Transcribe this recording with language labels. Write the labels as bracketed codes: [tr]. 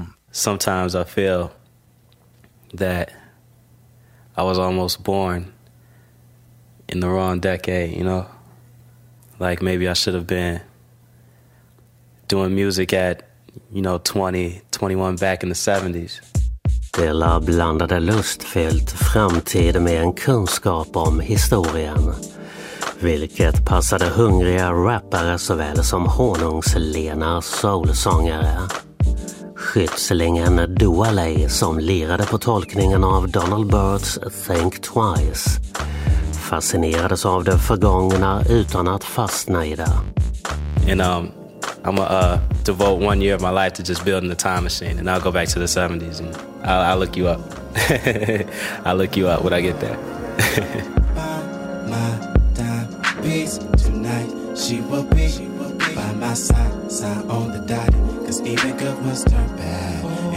[en] Sometimes I feel that I was almost born in the wrong decade, you know? Like maybe I should have been doing music at, you know, 20, 21 back in the 70s. [sv] Dilla blandade lustfyllt framtid med en kunskap om historien, vilket passade hungriga rappare såväl som honungslena soulsångare. Skyddslingen Duelle som lirade på tolkningen av Donald Byrds Think Twice fascinerades av det förgångna utan att fastna i det. [en] And I'm gonna devote 1 year of my life to just building the time machine and I'll go back to the 70s and I'll look you up. I'll look you up when I get there. By my time, peace tonight, she will be by my side, sign on the dotted, cause even good ones turn bad. Ooh.